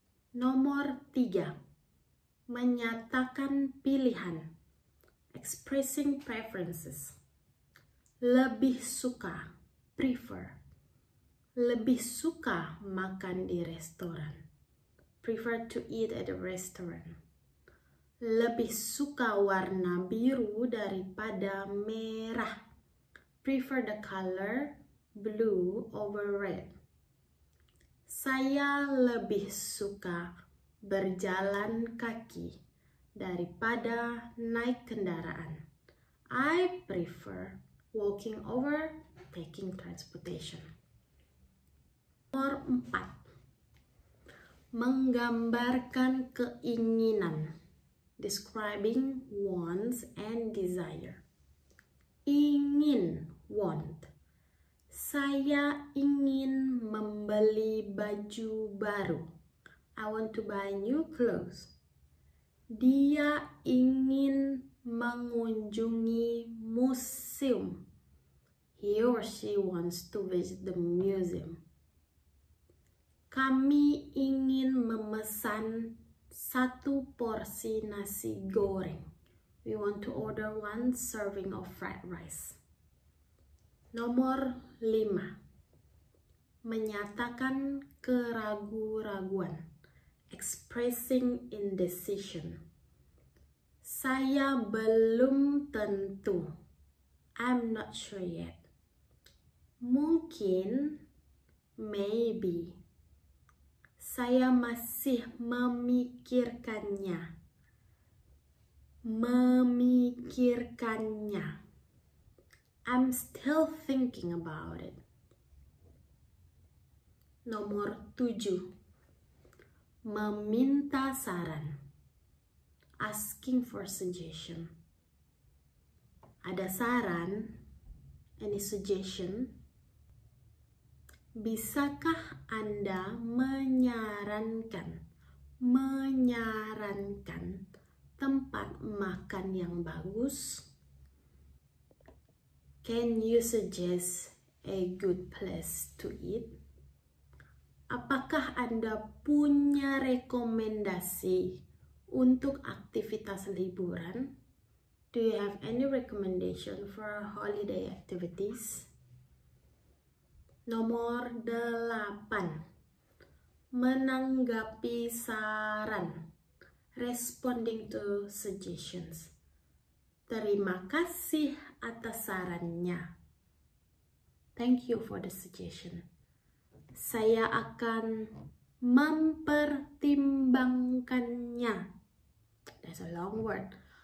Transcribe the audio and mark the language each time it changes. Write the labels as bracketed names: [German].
[Indonesian] Nomor 3. Menyatakan pilihan. [English] Expressing preferences. [Indonesian] Lebih suka, [English] prefer. [Indonesian] Lebih suka makan di restoran. [English] Prefer to eat at a restaurant. [Indonesian] Lebih suka warna biru daripada merah. [English] Prefer the color blue over red. [Indonesian] Saya lebih suka berjalan kaki daripada naik kendaraan. [English] I prefer walking over taking transportation. [Indonesian] Nomor 4. Menggambarkan keinginan. [English] Describing wants and desire. [Indonesian] Ingin, [English] want. [Indonesian] Saya ingin membeli baju baru. [English] I want to buy new clothes. [Indonesian] Dia ingin mengunjungi museum. [English] He or she wants to visit the museum. [Indonesian] Kami ingin memesan satu porsi nasi goreng. [English] We want to order one serving of fried rice. [Indonesian] Nomor 5. Menyatakan keragu-raguan. [English] Expressing indecision. [Indonesian] Saya belum tentu. [English] I'm not sure yet. [Indonesian] Mungkin, [English] maybe. [Indonesian] Saya masih memikirkannya. Memikirkannya. [English] I'm still thinking about it. [Indonesian] Nomor 7. Meminta saran. [English] Asking for suggestion. [Indonesian] Ada saran? [English] Any suggestion? [Indonesian] Bisakah Anda menyarankan, menyarankan tempat makan yang bagus? [English] Can you suggest a good place to eat? [Indonesian] Apakah Anda punya rekomendasi untuk aktivitas liburan? [English] Do you have any recommendation for holiday activities? [Indonesian] Nomor 8. Menanggapi saran. [English] Responding to suggestions. [Indonesian] Terima kasih atas sarannya. [English] Thank you for the suggestion. [Indonesian] Saya akan mempertimbangkannya. [English] That's a long word.